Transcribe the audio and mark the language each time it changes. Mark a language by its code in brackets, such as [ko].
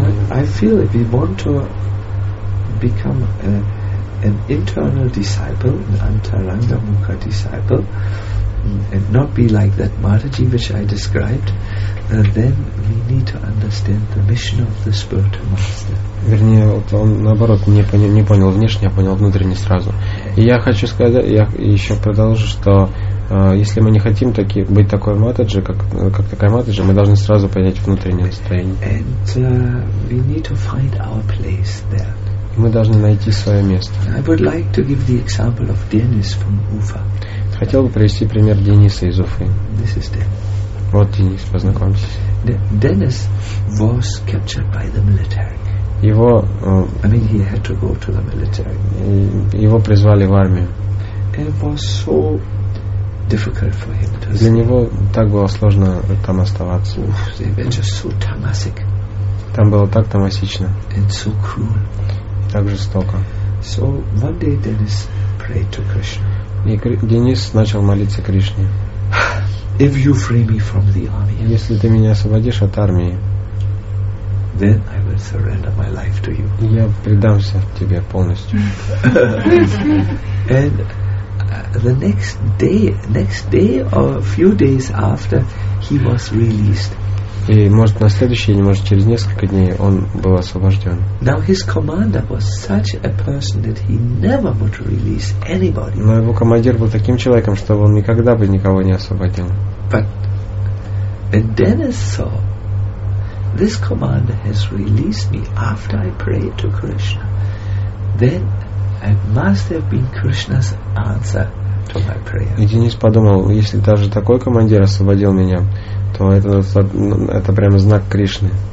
[en] I feel if we want to become an internal disciple, an antaranga mukha disciple, and not be like that Mataji which I described, then we need to understand the mission of the spiritual master. [ru] Вернее, вот он наоборот не понял внешне, а понял внутренне сразу. И я хочу сказать, я еще продолжу, что если мы не хотим быть такой матаджи, как такая матаджи, мы должны сразу понять внутреннее состояние. [en] And we need to find our place there. [ru] И мы должны найти свое место. [en] I would like to give the example of Dennis from Ufa. [ru] Хотел бы привести пример Дениса из Уфы. [en] This is Dennis. [ru] Вот Денис, познакомьтесь. [en] Dennis was captured by the military. [ru] Его, [en] I mean, he had to go to the military. [ru] Его призвали в армию. [en] It was so difficult for him to. [ru] Для него так было сложно там оставаться. [en] They were just so tamasic. [ru] Там было так тамасично. [en] And so cruel. [ru] И так жестоко. [en] So one day Dennis prayed to Krishna. [ru] И Денис начал молиться Кришне. [en] If you free me from the army. [ru] Если ты меня освободишь от армии. [en] Then I will surrender my life to you. [ru] Я предамся тебе полностью. [en] And the next day or a few days after he was released. [ru] И может на следующий день, может через несколько дней он был освобожден. [en] Now his commander was such a person that he never would release anybody. [ru] Но его командир был таким человеком, что он никогда бы никого не освободил. [en] But Dennis saw this commander has released me after I prayed to Krishna. Then it must have been Krishna's answer to my prayer. [ru] И Денис подумал, если даже такой командир освободил меня, то это прямо знак Кришны.